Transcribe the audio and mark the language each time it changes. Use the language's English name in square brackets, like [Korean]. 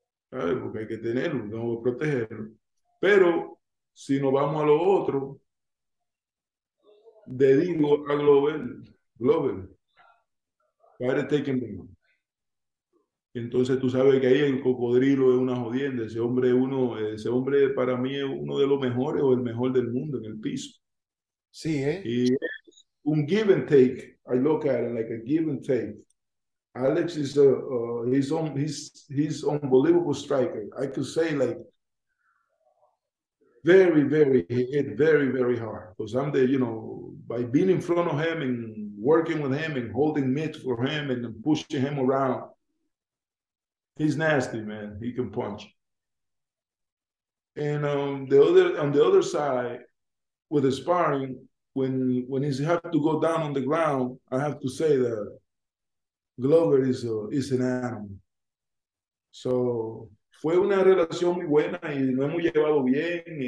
[Spanish] Porque hay que tenerlo, tengo que protegerlo. Pero si nos vamos a lo otro, le digo a Glover, padre, [English] taking me. [Spanish] Entonces tú sabes que ahí el cocodrilo es una jodienda. Ese hombre para mí es uno de los mejores o el mejor del mundo en el piso. Sí, ¿eh? Y es un [English] give and take. I look at it like a give and take. Alex is he's unbelievable striker. I could say like very, very, he hit very, very hard. Because I'm there, you know, by being in front of him and working with him and holding mitt for him and pushing him around, he's nasty, man. He can punch. And on the other side, with the sparring, when he's have to go down on the ground, I have to say that Glover is an animal. [Spanish] So, fue una relación muy buena y nos hemos llevado bien.